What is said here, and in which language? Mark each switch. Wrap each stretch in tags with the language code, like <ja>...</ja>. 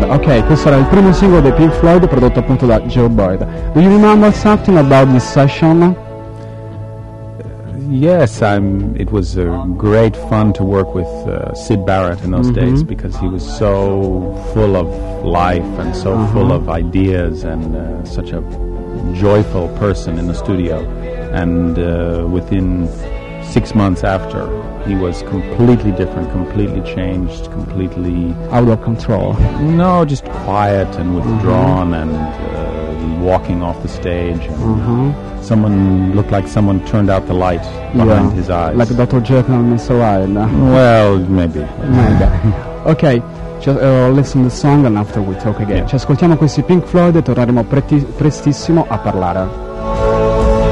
<it>Okay, questo era il primo singolo di Pink Floyd prodotto appunto da Joe Boyd.</it> <en>Do you remember something about this session? Yes, it was great fun to work with Syd Barrett in those days, because he was so full of life and so full of ideas and such a joyful person in the studio. And within 6 months after, he was completely different, completely changed, completely... out of control. No, just quiet and withdrawn and walking off the stage. And someone looked like someone turned out the light behind his eyes. Like Dr. Jekyll and Mr. Hyde. Well, maybe. Maybe. Okay. Just listen to the song and after we talk again.</en> <it>Ci ascoltiamo questi Pink Floyd e torneremo prestissimo a parlare.</it>